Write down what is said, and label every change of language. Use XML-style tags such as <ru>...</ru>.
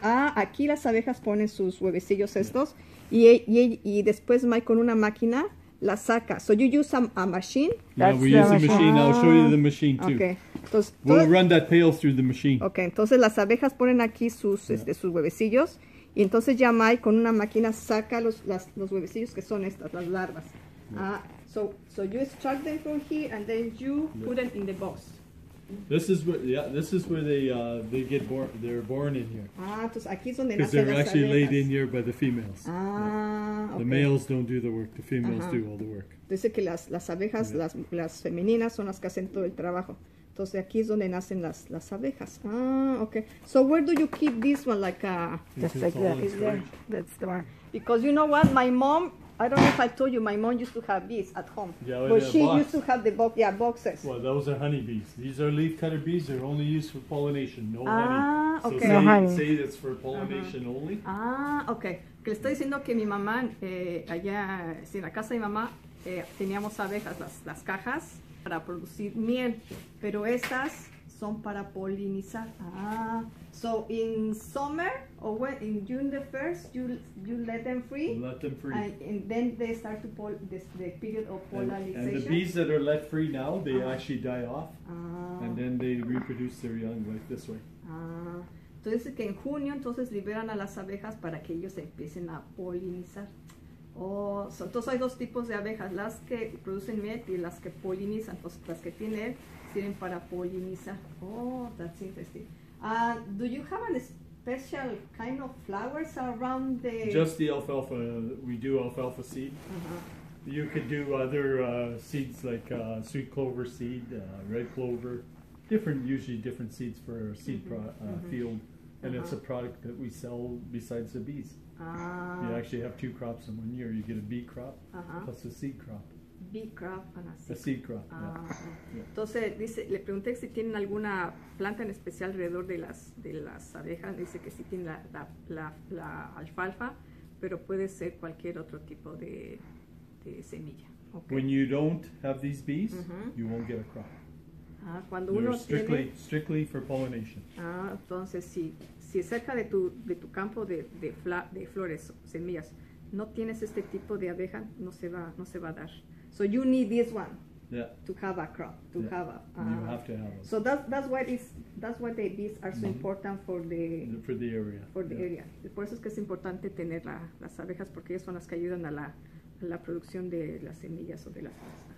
<es>Aquí las abejas ponen sus huevecillos estos, y después Mike con una máquina la saca.</es> <en>So you use a machine. Yeah, we use a machine. I'll show you the machine too.</en> <es>Okay. Entonces,</es> <en>we'll run that pail through the machine. Okay.</en> <es>Entonces las abejas ponen aquí sus sus huevecillos, y entonces ya Mike con una máquina saca los huevecillos que son estas, las larvas.</es> <en>So you extract them from here and then you put them in the box. This is where they get born. They're born in here.</en> <es>Ah, entonces aquí es donde nacen las abejas.</es> <en>Because they're actually laid in here by the females. Ah, yeah. Okay. The males don't do the work. The females do all the work.</en> <es>Dice que las abejas, yeah. las femeninas son las que hacen todo el trabajo. Entonces aquí es donde nacen las abejas.</es> <en>Ah, okay. So where do you keep this one? Like just like that. That's the one. Because you know what, my mom. I don't know if I told you, my mom used to have bees at home. Yeah, but she box. Used to have the boxes. Well, those are honeybees. These are leaf cutter bees. They're only used for pollination. No honey. Ah, okay. So no honey. Say that's for pollination only. Ah, okay.</en> <es>Que le estoy diciendo que mi mamá, allá, en la casa de mi mamá, teníamos abejas, las cajas, para producir miel. Pero estas son para polinizar.</es> <en>Ah, so in summer or when in June the 1st you let them free. Let them free. And then they start to the period of pollinization. And the bees that are let free now, they actually die off. Ah. And then they reproduce their young like this way. Ah.</en> <es>Entonces que en junio entonces liberan a las abejas para que ellos empiecen a polinizar. Oh, so, entonces hay dos tipos de abejas, las que producen miel y las que polinizan, entonces las que tienen sirven para polinizar.</es> <en>Oh, that's interesting. Do you have a special kind of flowers around the... Just the alfalfa. We do alfalfa seed. Uh-huh. You could do other seeds like sweet clover seed, red clover, different seeds for our seed field. And it's a product that we sell besides the bees. You actually have two crops in 1 year. You get a bee crop plus a seed crop. Bee crop.</en> <es>Entonces dice, le pregunté si tienen alguna planta en especial alrededor de las abejas. Dice que sí tiene la alfalfa, pero puede ser cualquier otro tipo de semilla.</es> <en>Okay. When you don't have these bees, you won't get a crop.</en> <es>Cuando</es> <en>they're</en> <es>uno</es> <en>strictly,</en> <es>tiene</es> <en>strictly for pollination.</en> <es>Entonces si es cerca de tu campo de flores semillas, no tienes este tipo de abeja, no se va a dar.</es> <en>So you need this one to have a crop, to have a... You have to have it. So that's why the bees are so important for the area. For the area.</en> <es>Por eso es que es importante tener las abejas, porque ellas son las que ayudan a la producción de las semillas o de las flores.</es>